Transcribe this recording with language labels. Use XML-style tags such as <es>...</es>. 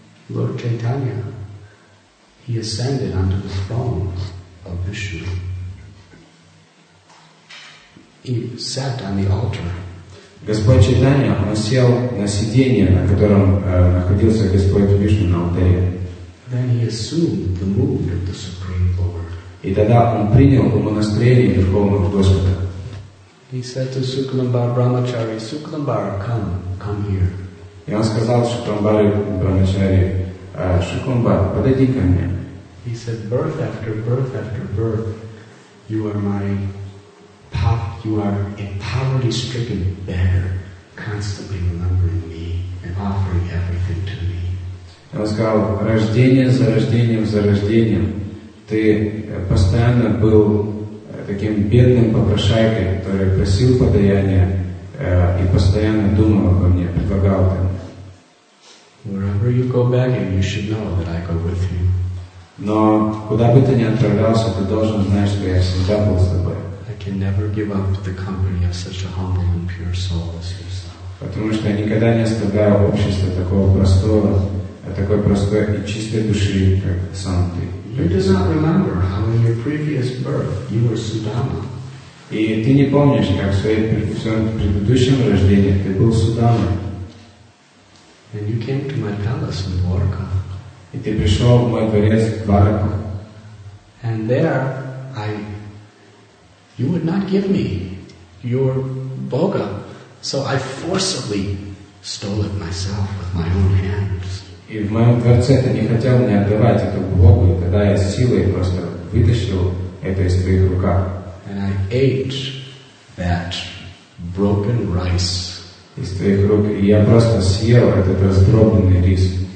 <en>Lord Chaitanya, he ascended onto the throne of Vishnu. He sat on the altar.</en> <ru>Господь Чайтанья, он сел на сиденье, на котором находился Господь Вишну на алтаре.</ru> <en>Then he assumed the mood of the Supreme Lord.</en> <ru>И тогда он принял умонастроение Верховного Господа.</ru> <en>He said to Sukumbhar Brahmachari, Sukumbhar, come here.</en> <ru>И он сказал Sukumbhar Brahmachari, Шакунбад, подойди ко мне.</ru> <en>He said, birth after birth after birth, you are my path, you are a poverty-stricken beggar, constantly remembering me and offering everything to me.</en> <ru>Он сказал, рождение за рождением за рождением, ты постоянно был таким бедным попрошайкой, который просил подаяния и постоянно думал обо мне, предлагал ты.</ru> <en>Wherever you go begging, you should know that I go with you.</en> <ru>Но куда бы ты ни отправлялся, ты должен знать, что я всегда был с тобой.</ru> <en>I can never give up the company of such a humble and pure soul as yourself.</en> <ru>Потому что я никогда не оставляю общество такого простого, такой простой и чистой души, как сам ты.</ru> <en>You do not remember how in your previous birth you were Sudama.</en> <ru>И ты не помнишь, как в своем предыдущем рождении ты был Судама.</ru> <en>And you came to my palace in Dwarka.</en> <ru>И ты пришел в мой дворец в Дварака.</ru> <en>And there you would not give me your boga, so I forcibly stole it myself with my own hands.</en> <ru>И в моем дворце ты не хотел мне отдавать эту богу, и тогда я силой просто вытащил это из твоих рук.</ru> <en>And I ate that broken rice.</en> <ru>Из твоих рук, и я просто съел этот раздробленный рис.</ru>